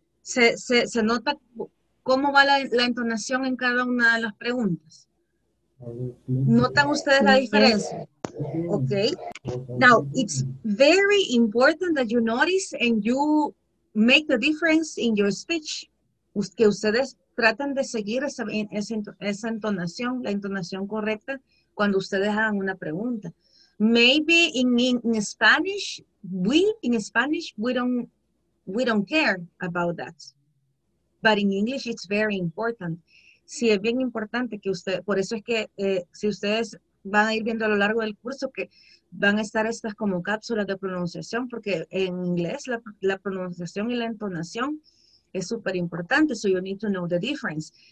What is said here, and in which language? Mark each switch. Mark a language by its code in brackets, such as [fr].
[es] Se nota cómo va la entonación en cada una de las preguntas. ¿Notan ustedes la diferencia? Okay. [en] Now, it's very important that you notice and you make the difference in your speech. [es] Que ustedes traten de seguir esa entonación, la entonación correcta, cuando ustedes hagan una pregunta. [en] Maybe in Spanish, we don't care about that. But in English, it's very important. [es] Sí, es bien importante que usted, por eso es que si ustedes van a ir viendo a lo largo del curso que van a estar estas como cápsulas de pronunciación, porque en inglés la pronunciación y la entonación es súper importante, [en] so you need to know the difference.